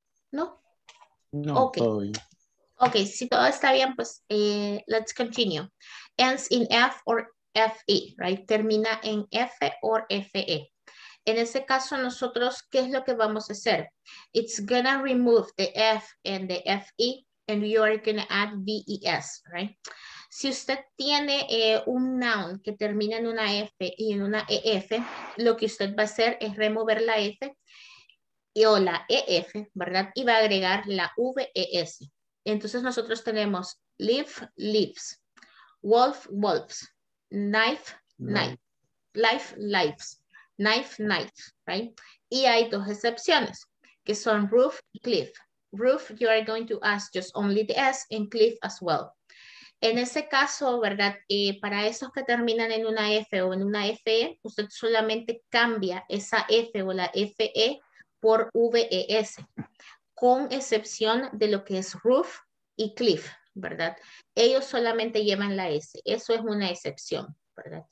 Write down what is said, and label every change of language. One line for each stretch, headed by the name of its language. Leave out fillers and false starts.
English: No. No. Okay. Probably. Okay,
Spanish: si todo está bien, pues
English: let's continue. Ends in F or FE, right?
Spanish: Termina en F or FE. En ese caso, nosotros, ¿qué es lo que vamos a hacer?
English: It's gonna remove the F and the FE, and you are gonna add VES, right?
Spanish: Si usted tiene un noun que termina en una F y en una EF, lo que usted va a hacer es remover la F y, o la EF, ¿verdad? Y va a agregar la VES. Entonces nosotros tenemos leaf, leaves, wolf, wolves, knife, knife, life, lives, knife, knife,
English: right?
Spanish: Y hay dos excepciones, que son roof, cliff.
English: Roof, you are going to ask just only the S, and cliff as well.
Spanish: En ese caso, ¿verdad? Para esos que terminan en una F o en una FE, usted solamente cambia esa F o la FE por VES. Con excepción de lo que es roof y cliff, ¿verdad? Ellos solamente llevan la S. Eso es una excepción, ¿verdad?